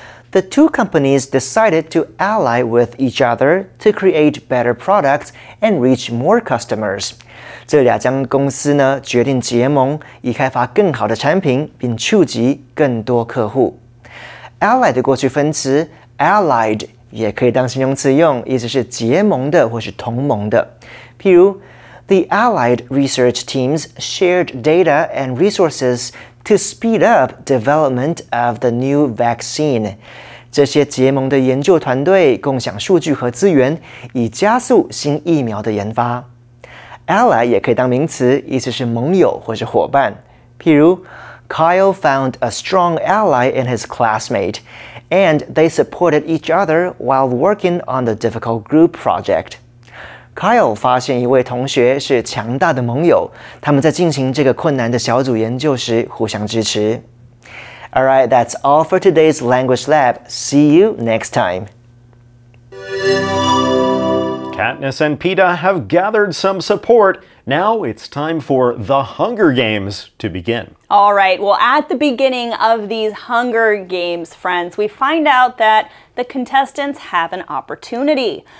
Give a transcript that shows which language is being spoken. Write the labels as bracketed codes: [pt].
[en] The two companies decided to ally with each other to create better products and reach more customers. [zh] 这两家公司呢，决定结盟，以开发更好的产品，并触及更多客户。 Ally 的过去分词 allied 也可以当形容词用，意思是结盟的或是同盟的。譬如 [en] ，The allied research teams shared data and resources to speed up development of the new vaccine。 [zh] 这些结盟的研究团队共享数据和资源，以加速新疫苗的研发。 Ally 也可以当名词，意思是盟友或是伙伴。譬如 [en] ，Kyle found a strong ally in his classmate, and they supported each other while working on the difficult group project. [zh] Kyle 发现一位同学是强大的盟友，他们在进行这个困难的小组研究时互相支持。 [en] All right, that's all for today's Language Lab. See you next time. Katniss and Peeta have gathered some support. Now it's time for the Hunger Games to begin. All right, well, at the beginning of these Hunger Games, friends, we find out that the contestants have an opportunity.